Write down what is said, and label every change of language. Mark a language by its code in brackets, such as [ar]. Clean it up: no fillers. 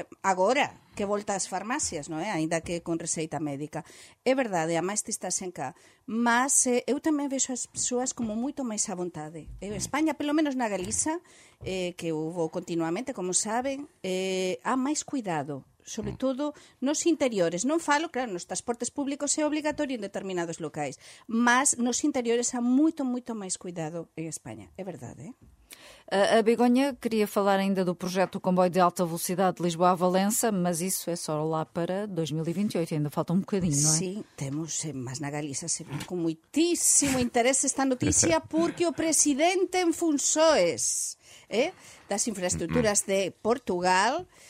[pt] Agora que volta às farmácias, não é? Ainda que com receita médica. É verdade, há mais testagem cá. Mas eu também vejo as pessoas como muito mais à vontade. Em Espanha, pelo menos na Galiza, que eu vou continuamente, como sabem, há mais cuidado. Sobretudo nos interiores. [gl] Non falo, claro, nos transportes públicos é obligatorio en determinados locais, [pt] mas nos interiores há [gl] moito, moito máis cuidado en España. [pt] É verdade, A Begoña queria falar ainda do projeto do comboio de alta velocidade de Lisboa a Valença, mas isso é só lá para 2028, ainda falta um bocadinho, não é? Sim, temos, mas na Galiza se vê com muitíssimo interesse esta notícia, porque o presidente em funções das infraestruturas de Portugal,